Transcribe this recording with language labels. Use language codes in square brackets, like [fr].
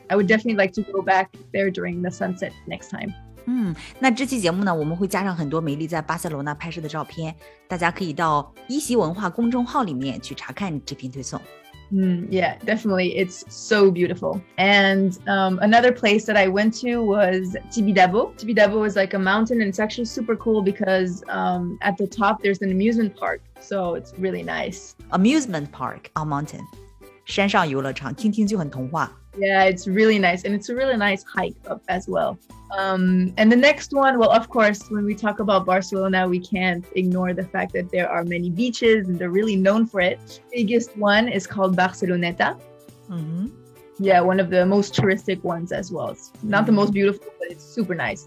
[en] I would definitely like to go back there during the sunset next time. [zh] 嗯，那这期节目呢，我们会加上很多梅丽在巴塞罗那拍摄的照片，大家可以到一席文化公众号里面去查看这篇推送。 [en] Yeah, definitely, it's so beautiful. And another place that I went to was Tibidabo. Tibidabo is like a mountain, and it's actually super cool because at the top there's an amusement park, so it's really nice. Amusement park on mountain, [zh] 山上游乐场，听听就很童话。 [en] Yeah, it's really nice. And it's a really nice hike up as well. And the next one, well, of course, when we talk about Barcelona, we can't ignore the fact that there are many beaches and they're really known for it. The biggest one is called Barceloneta. Mm-hmm. Yeah, one of the most touristic ones as well. It's not the most beautiful, but it's super nice.